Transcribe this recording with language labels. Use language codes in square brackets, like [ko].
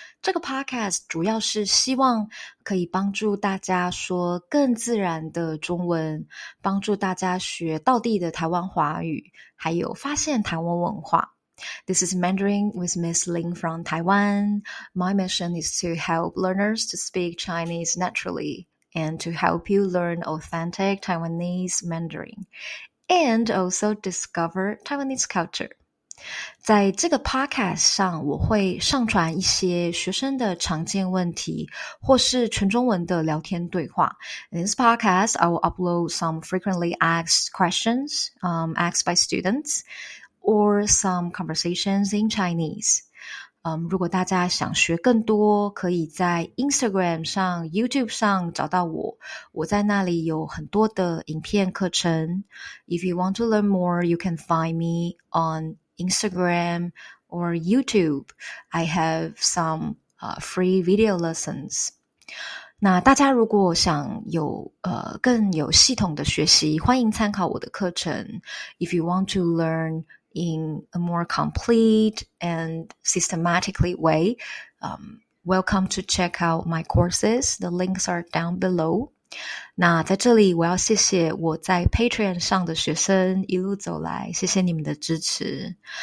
[zh] 这个 podcast 主要是希望可以帮助大家说更自然的中文，帮助大家学道地的台湾华语，还有发现台湾文化。 [en] This is Mandarin with Miss Lin from Taiwan. My mission is to help learners to speak Chinese naturally and to help you learn authentic Taiwanese Mandarin and also discover Taiwanese culture. [zh] 在这个 podcast 上，我会上传一些学生的常见问题，或是纯中文的聊天对话。 [en] In this podcast, I will upload some frequently asked questions, asked by students, or some conversations in Chinese. [zh] 如果大家想学更多，可以在 Instagram 上、YouTube 上找到我。我在那里有很多的影片课程。 [en] If you want to learn more, you can find me on Instagram or YouTube. I have some free video lessons. [zh] 那大家如果想有更有系统的学习，欢迎参考我的课程。 [en] If you want to learn in a more complete and systematically way, welcome to check out my courses. The links are down below. [zh] 那在这里我要谢谢我在 Patreon 上的学生一路走来，谢谢你们的支持。